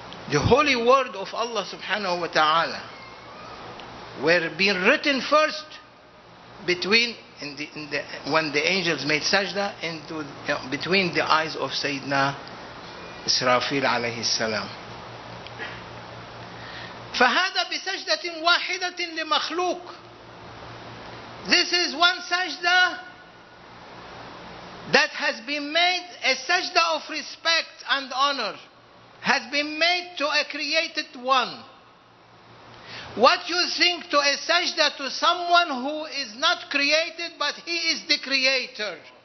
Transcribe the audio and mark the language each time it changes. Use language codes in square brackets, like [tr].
[en] The holy word of Allah subhanahu wa ta'ala were being written first between when the angels made sajda between the eyes of Sayyidina Israfil alayhi salam. [ar] فهذا بسجدة واحدة لمخلوق. [en] This is one sajda that has been made, a sajda of respect and honor has been made to a created one. What you think to a sajda to someone who is not created, but he is the creator?